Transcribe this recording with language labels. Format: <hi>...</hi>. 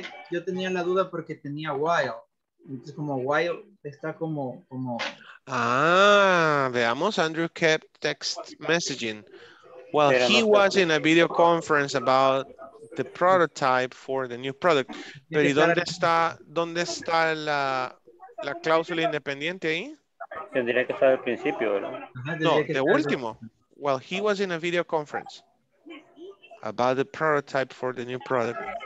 <es>Yo tenía la duda porque tenía while. Entonces, como while está como.</es> <en>Ah, veamos. Andrew kept text messaging. Well, he was in a video conference about the prototype for the new product.</en> <es>Pero ¿y dónde está la cláusula independiente ahí? Tendría que estar al principio, ¿verdad? No, de último.</es> <en>Well, he was in a video conference about the prototype for the new product.</en>